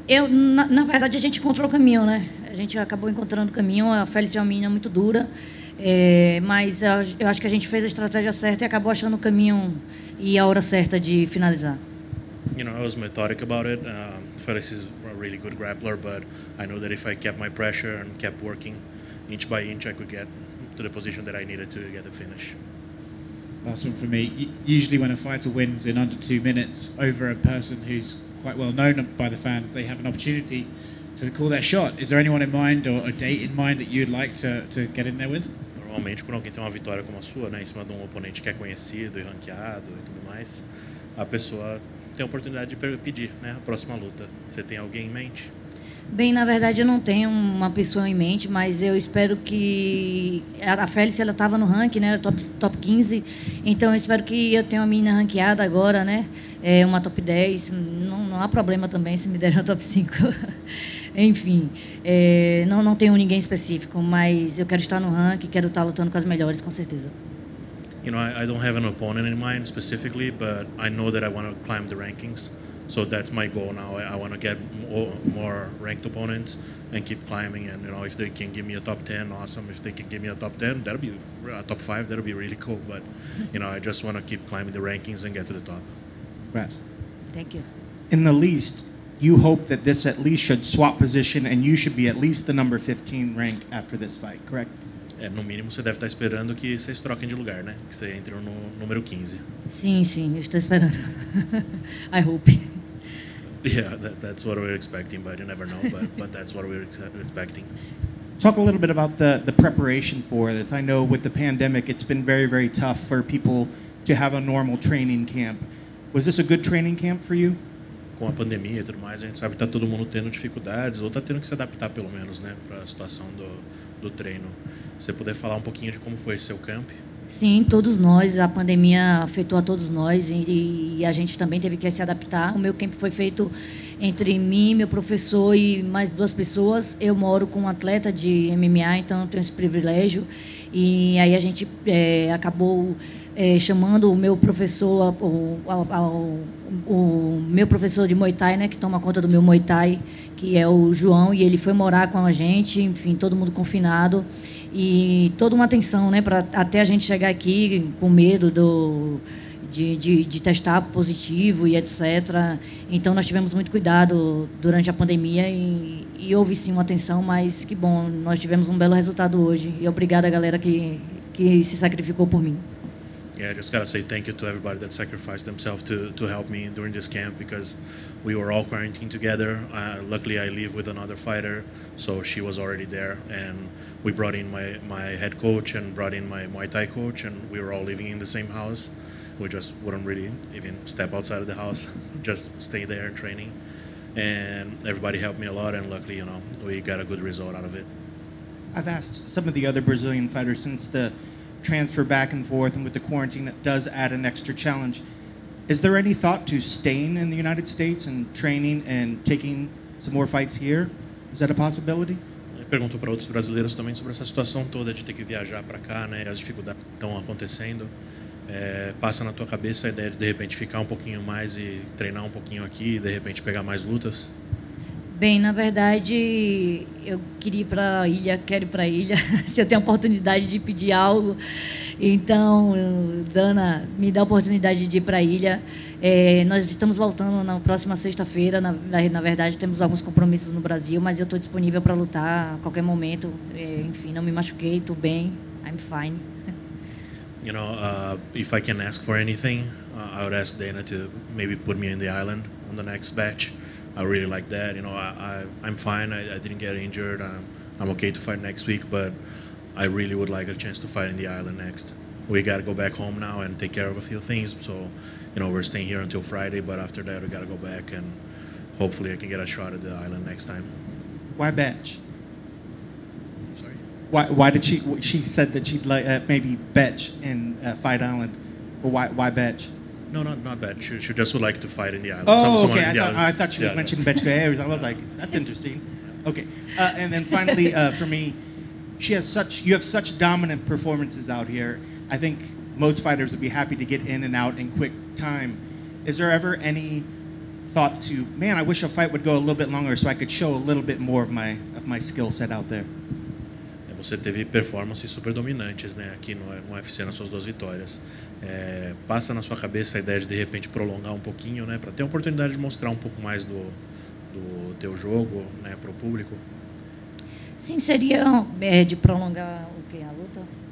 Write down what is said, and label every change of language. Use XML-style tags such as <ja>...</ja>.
<pt>Na verdade, a gente encontrou o caminho, né? A gente acabou encontrando o caminho. A Félix é uma menina muito dura, mas eu acho que a gente fez a estratégia certa e acabou achando o caminho e a hora certa de finalizar.</pt> <en>You know, I was methodic about it. Félix is a really good grappler, but I know that if I kept my pressure and kept working inch by inch, I could get to the position that I needed to get the finish. Last one for me. Usually when a fighter wins in under 2 minutes over a person who's quite well known by the fans, they have an opportunity to call their shot. Is there anyone in mind or a date in mind that you'd like to get in there with?</en> <pt>Normalmente quando alguém tem uma vitória como a sua, né, em cima de um oponente que é conhecido e ranqueado e tudo mais, a pessoa tem a oportunidade de pedir, né, a próxima luta. Você tem alguém em mente? Bem, na verdade, eu não tenho uma pessoa em mente, mas eu espero que... A Félix, ela estava no ranking, né? Era top 15. Então, eu espero que eu tenha uma menina ranqueada agora, né? Uma top 10. Não há problema também se me derem a top 5. Enfim, não tenho ninguém específico, mas eu quero estar no ranking, quero estar lutando com as melhores, com certeza.</pt> <en>You know, I don't have an opponent in mind specifically, but I know that I want to climb the rankings. So that's my goal now. I want to get more ranked opponents and keep climbing. And you know, if they can give me a top 10, awesome. If they can give me a top 10, that'll be a top 5. That'll be really cool. But you know, I just want to keep climbing the rankings and get to the top. Congrats. Thank you. In the least, you hope that this at least should swap position and you should be at least the number 15 rank after this fight, correct?</en> <pt>No mínimo, você deve estar esperando que vocês troquem de lugar, né? Que você entre no número 15. Sim, eu estou esperando.</pt> <en>I hope. Yeah, that's what we're expecting, but you never know. But that's what we're expecting. Talk a little bit about the preparation for this. I know with the pandemic, it's been very, very tough for people to have a normal training camp. Was this a good training camp for you?</en> <pt>Com a pandemia e tudo mais, a gente sabe que está todo mundo tendo dificuldades ou está tendo que se adaptar, pelo menos, né, para a situação do treino. Você puder falar um pouquinho de como foi esse seu camp? Sim, todos nós. A pandemia afetou a todos nós e a gente também teve que se adaptar. O meu camp foi feito entre mim, meu professor e mais duas pessoas. Eu moro com um atleta de MMA, então eu tenho esse privilégio. E aí a gente acabou chamando o meu professor, o meu professor de Muay Thai, né, que toma conta do meu Muay Thai, que é o João, e ele foi morar com a gente, enfim, todo mundo confinado. E toda uma atenção, né, para até a gente chegar aqui com medo de testar positivo e etc. Então, nós tivemos muito cuidado durante a pandemia e houve sim uma atenção, mas que bom, nós tivemos um belo resultado hoje. E obrigada à galera que se sacrificou por mim.</pt> <en>Yeah, I just gotta say thank you to everybody that sacrificed themselves to help me during this camp, because we were all quarantined together. Luckily, I live with another fighter, so she was already there. And we brought in my head coach and brought in my Muay Thai coach, and we were all living in the same house. We just wouldn't really even step outside of the house, just stay there and training. And everybody helped me a lot, and luckily, you know, we got a good result out of it. I've asked some of the other Brazilian fighters since the transfer back and forth and with the quarantine, that does add an extra challenge. Is there any thought to staying in the United States and training and taking some more fights here? Is that a possibility?</en> <pt>Perguntou para outros brasileiros também sobre essa situação toda de ter que viajar para cá, né, as dificuldades que estão acontecendo. Passa na tua cabeça a ideia de repente ficar um pouquinho mais e treinar um pouquinho aqui e de repente pegar mais lutas? Bem, na verdade, eu queria ir para a ilha, quero ir para a ilha, se eu tenho a oportunidade de pedir algo. Então, Dana, me dá a oportunidade de ir para a ilha. É, nós estamos voltando na próxima sexta-feira. Na verdade, temos alguns compromissos no Brasil, mas eu estou disponível para lutar a qualquer momento. É, enfim, não me machuquei, estou bem.</pt> <en>I'm fine. You know, if I can ask for anything, I would ask Dana to maybe put me in the island on the next batch. I really like that. You know, I'm fine. I didn't get injured. I'm okay to fight next week, but I really would like a chance to fight in the island next. We got to go back home now and take care of a few things. So, you know, we're staying here until Friday, but after that, we got to go back and hopefully I can get a shot at the island next time. Why batch? Sorry. Why did she said that she'd like maybe batch in Fight Island, but why batch? No, not bad. She just would like to fight in the island. Oh, okay. I thought she mentioned Betch Gaires. I was like, that's interesting. Okay. And then finally, for me, you have such dominant performances out here. I think most fighters would be happy to get in and out in quick time. Is there ever any thought to, man, I wish a fight would go a little bit longer so I could show a little bit more of my skill set out there?</en> <pt>Você teve performances super dominantes, né, aqui no UFC nas suas duas vitórias. É, passa na sua cabeça a ideia de repente prolongar um pouquinho, né, para ter a oportunidade de mostrar um pouco mais do teu jogo, né, para o público? Sim, seria de prolongar o quê? A luta?</pt>